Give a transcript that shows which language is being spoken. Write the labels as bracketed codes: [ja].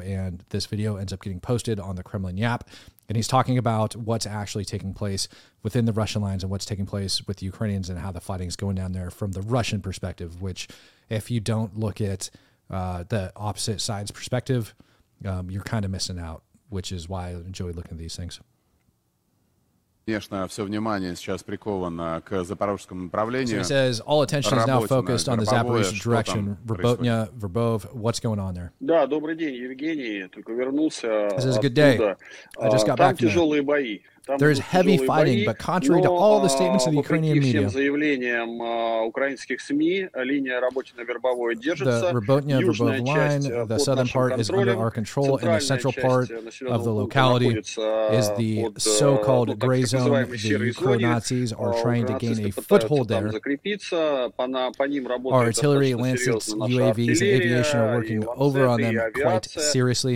[en] And this video ends up getting posted on the Kremlin Yap. And he's talking about what's actually taking place within the Russian lines and what's taking place with the Ukrainians and how the fighting is going down there from the Russian perspective, which if you don't look at the opposite side's perspective, you're kind of missing out, which is why I enjoy looking at these things. [ru] Конечно, все внимание сейчас приковано к Запорожскому направлению. [en] So he says all attention is now focused on the Zaporizhzhia direction, Verbotnya, Verbov. What's going on there? [ru] Да, добрый день, Евгений. Только вернулся. [en] This is a good day. I just got back. [ru] Там тяжелые бои. [en] There is heavy fighting, but contrary to all the statements of the Ukrainian media, [ru] заявлениям украинских СМИ, линия рабочей на Вербовой держится. [en] The Verbotnya, Verbov line, the southern part is under our control, and the central part of the locality is the so-called gray zone. The Ukro-Nazis are trying to gain a foothold there. Our artillery, Lancets, UAVs, and aviation are working over on them quite seriously.